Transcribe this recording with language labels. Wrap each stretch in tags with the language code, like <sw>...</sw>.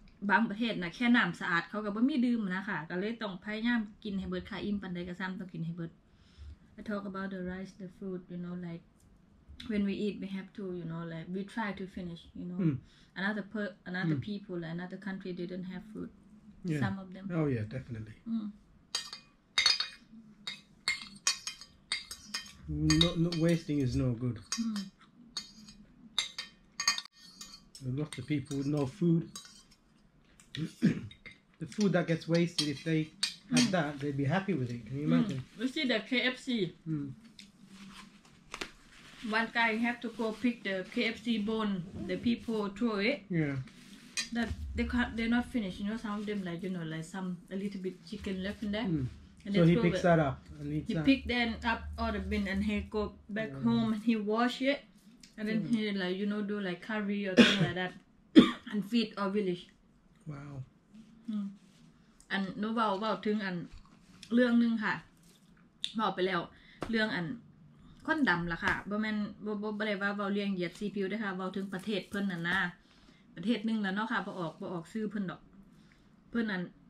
<th>บางประเทศน่ะแค่น้ําสะอาดเขาก็บ่มีดื่มนะคะก็เลยต้องพยายามกินให้เบิดค่ะอิ่มปานใดก็ซ้ําต้องกินให้เบิด</th> <en>I talk about the rice the food you know like when we eat we have to you know like we try to finish you know another people another country didn't have food some of them Oh yeah definitelyNot wasting is no good. Lots of people with no food. The food that gets wasted, if they had that, they'd be happy with it. Can you imagine? You see the KFC. One guy have to go pick the KFC bone. The people throw it. Yeah. That they can't. They're not finished. You know, some of them like you know, like some a little bit chicken left in there. So he picks that up and eats that. He picked that up out of the bin and he go back home and he wash it. And then he like, you know, do like curry or something like that. And feed our village. Wow. And no wow, wow, thing and</en> <th>เรื่องนึงค่ะ บอกไปแล้ว เรื่องอันคนดำล่ะค่ะ บ่แม่น บ่ได้ว่าเว้าเรื่องเหยียดซีพิวด้วยค่ะ เว้าถึงประเทศเพิ่นน่ะนะ ประเทศนึงแล้วเนาะค่ะ บ่ออกชื่อเพิ่นดอก เพิ่นอัน</th>